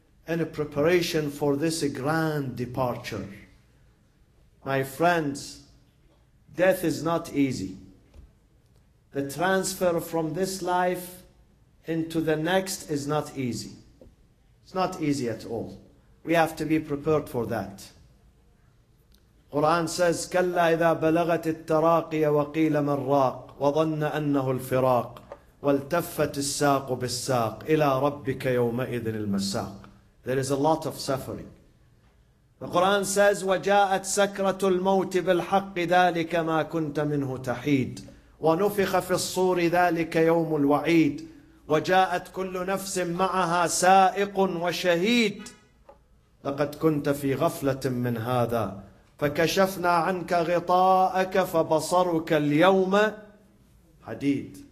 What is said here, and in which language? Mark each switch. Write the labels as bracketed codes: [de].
[en] in a preparation for this grand departure. My friends, death is not easy. The transfer from this life into the next is not easy. It's not easy at all. We have to be prepared for that. Quran says, [ar] كَلَّا إِذَا بَلَغَتِ التَّرَاقِيَ وَقِيلَ مَنْ رَاقٍ وَظَنَّ أَنَّهُ الْفِرَاقِ وَالْتَفَّتِ السَّاقُ بِالسَّاقِ إِلَى رَبِّكَ يَوْمَئِذٍ الْمَسَّاقِ. [en] There is a lot of suffering. The Quran says, [ar] وَجَاءَتْ سَكْرَةُ الْمَوْتِ بِالْحَقِّ ذَلِكَ مَا كُنْتَ مِنْهُ تَحِيدٍ وَنُفِخَ فِي الصُّورِ ذَلِكَ يَوْمُ الْوَعِيدِ وَجَاءَتْ كُلُّ نَفْسٍ مَعَهَا سَائِقٌ وَشَهِيدٌ لَقَدْ كُنْتَ فِي غَفْلَةٍ مِنْ هَذَا فَكَشَفْنَا عَنْكَ غِطَاءَكَ فَبَصَرُكَ الْيَوْمَ حَدِيدٌ.